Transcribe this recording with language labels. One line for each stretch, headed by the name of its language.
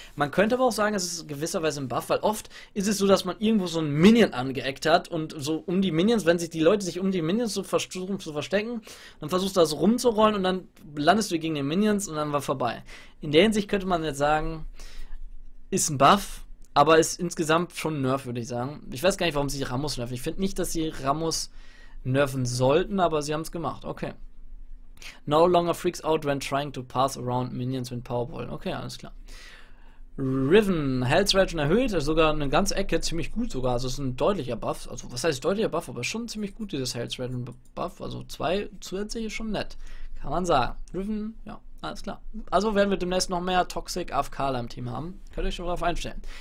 German: Man könnte aber auch sagen, es ist gewisserweise ein Buff, weil oft ist es so, dass man irgendwo so ein Minion angeeckt hat und so um die Minions, wenn sich die Leute sich um die Minions so versuchen zu verstecken, dann versuchst du da so rumzurollen und dann landest du gegen den Minions und dann war vorbei. In der Hinsicht könnte man jetzt sagen, ist ein Buff, aber ist insgesamt schon ein Nerf, würde ich sagen. Ich weiß gar nicht, warum sie Rammus nerven. Ich finde nicht, dass sie Rammus nerven sollten, aber sie haben es gemacht. Okay.
English: No longer freaks out when trying to pass around minions with Powerball.
German: Okay, alles klar. Riven, Health Regen erhöht, sogar eine ganze Ecke, ziemlich gut sogar. Also es ist ein deutlicher Buff. Also was heißt deutlicher Buff, aber schon ziemlich gut, dieses Health Regen Buff. Also zwei zusätzliche schon nett. Kann man sagen. Riven, ja. Alles klar. Also werden wir demnächst noch mehr Toxic AFK im Team haben. Könnt ihr euch schon darauf einstellen.